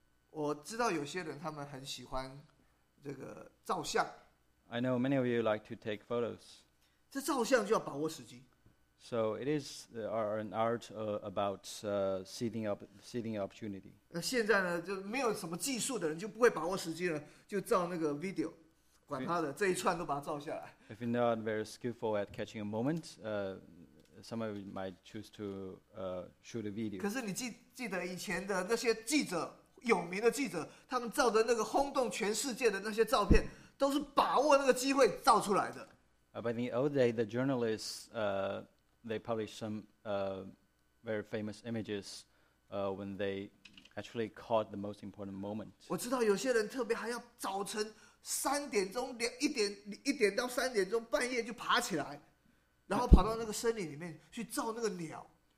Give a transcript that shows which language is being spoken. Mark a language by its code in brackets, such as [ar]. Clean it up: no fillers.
[zh] 我知道有些人他们很喜欢这个照相。 [en] I know many of you like to take photos. [zh] 这照相就要把握时机。 [en] So it is an art about seizing opportunity. [zh] 现在呢，就没有什么技术的人就不会把握时机了，就照那个 video， 管他的，这一串都把它照下来。 [en] If you're not very skillful at catching a moment, some of you might choose to shoot a video. [zh] 可是你记得以前的那些记者，有名的记者，他们照的那个轰动全世界的那些照片，都是把握那个机会照出来的。 [en] But in the old day, the journalists, they published some very famous images when they actually caught the most important moment. [zh] 我知道有些人特别还要早晨三点钟两一点一点到三点钟半夜就爬起来，然后跑到那个森林里面去照那个鸟。